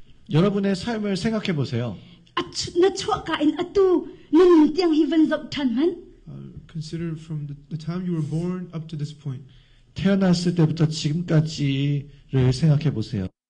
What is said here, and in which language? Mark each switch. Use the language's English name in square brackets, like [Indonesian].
[Korean] 여러분의 삶을 생각해 보세요. 나초가인 [English] consider from the time you were born up to this point. [Korean] 태어났을 때부터 지금까지를 생각해 보세요.